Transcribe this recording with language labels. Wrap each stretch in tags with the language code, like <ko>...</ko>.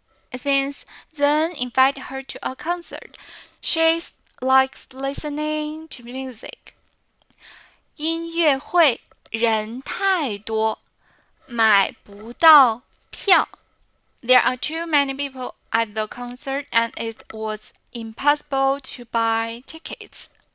<en>It means then invite her to a concert. She likes listening to music.</en> <zh>音乐会人太多，买不到票。</zh> <en>There are too many people at the concert and it was impossible to buy tickets.</en>